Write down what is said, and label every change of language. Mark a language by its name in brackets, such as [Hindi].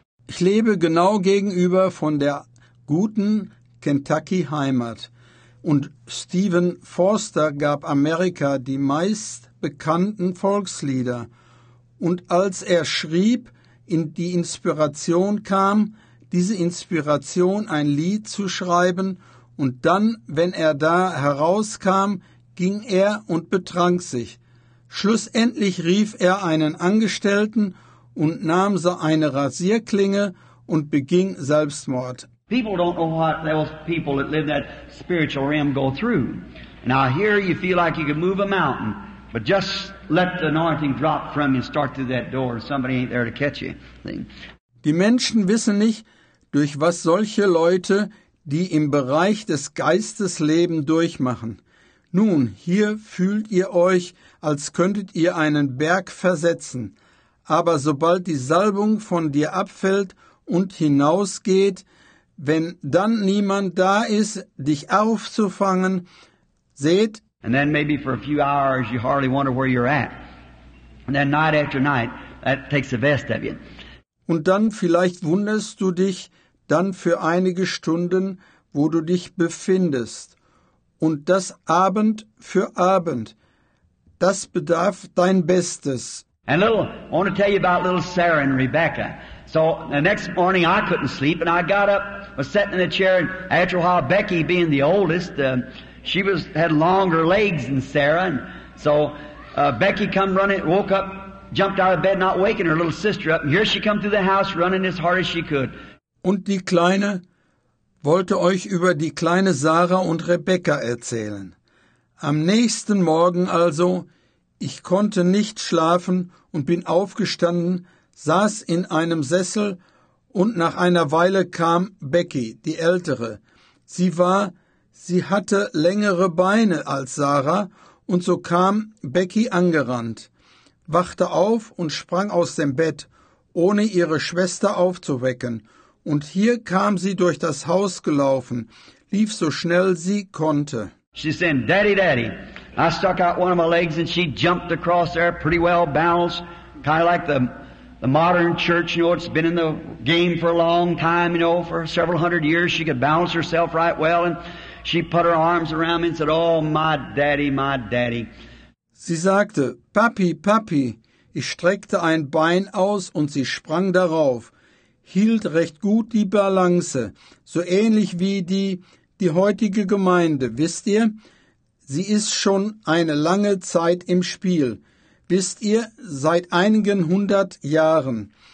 [German] Ich lebe genau gegenüber von der guten Kentucky-Heimat. Und Stephen Foster gab Amerika die meist bekannten Volkslieder. Und als er schrieb, in die Inspiration kam, diese Inspiration, ein Lied zu schreiben. Und dann, wenn er da herauskam, ging er und betrank sich. Schlussendlich rief er einen Angestellten und nahm so eine Rasierklinge und beging Selbstmord. [English] People don't know what those people that live in that spiritual realm go through. Now here you feel like you can move a mountain, but just let the anointing drop from you and start through that door. Somebody ain't there to catch you. [German] Die Menschen wissen nicht, durch was solche Leute, die im Bereich des Geistes leben, durchmachen. Nun, hier fühlt ihr euch, als könntet ihr einen Berg versetzen. Aber sobald die Salbung von dir abfällt und hinausgeht, wenn dann niemand da ist, dich aufzufangen, seht. [English] And then maybe for a few hours you hardly wonder where you're at. And then night after night, that takes the best of you. [German] Und dann vielleicht wunderst du dich dann für einige Stunden, wo du dich befindest. Und das Abend für Abend, das bedarf dein Bestes. [English] And little, I want to tell you about little Sarah and Rebecca. So the next morning I couldn't sleep and I got up, was sitting in a chair, and after a while Becky being the oldest, she was had longer legs than Sarah. And so Becky come running, woke up, jumped out of bed, not waking her little sister up. And here she come through the house running as hard as she could. [German] Und die Kleine wollte euch über die kleine Sarah und Rebecca erzählen. Am nächsten Morgen also, ich konnte nicht schlafen und bin aufgestanden, saß in einem Sessel und nach einer Weile kam Becky, die Ältere. Sie hatte längere Beine als Sarah und so kam Becky angerannt, wachte auf und sprang aus dem Bett, ohne ihre Schwester aufzuwecken. Und hier kam sie durch das Haus gelaufen, lief so schnell sie konnte. [English] She said, Daddy, Daddy. I stuck out one of my legs and she jumped across there pretty well balanced, kind of like the modern church, you know, it's been in the game for a long time, you know, for several hundred years. She could balance herself right well and she put her arms around me and said, oh, my Daddy, my Daddy. [German] Sie sagte, Papi, Papi. Ich streckte ein Bein aus und sie sprang darauf. Hielt recht gut die Balance, so ähnlich wie die heutige Gemeinde, wisst ihr? Sie ist schon eine lange Zeit im Spiel, wisst ihr, seit einigen hundert Jahren.